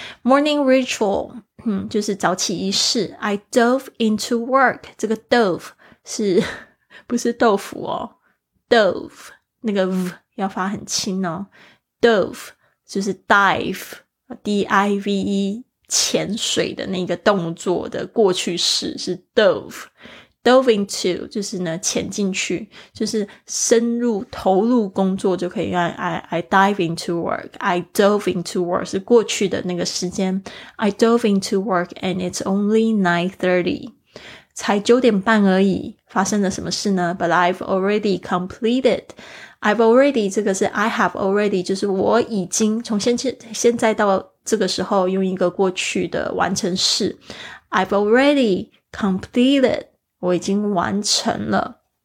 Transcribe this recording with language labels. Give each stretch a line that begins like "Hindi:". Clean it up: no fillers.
English: Morning ritual
Chinese: 就是早起仪式。
English: I dove into work，
Chinese: 这个 dove 是不是豆腐哦， dove 那个 v 要发很轻哦， dove 就是 dive， D-I-V-E 潜水的那个动作的过去式是 dove。 Dove into 就是呢潜进去，就是深入投入工作就可以用
English: I dive into work。 I dove into work
Chinese: 是过去的那个时间。
English: I dove into work and it's only 9:30，
Chinese: 才9:30而已。发生了什么事呢？
English: But I've already completed。 I've already
Chinese: 这个是
English: I have already，
Chinese: 就是我已经从现在到这个时候用一个过去的完成式。
English: I've already completed，
Chinese: 我已经完成了。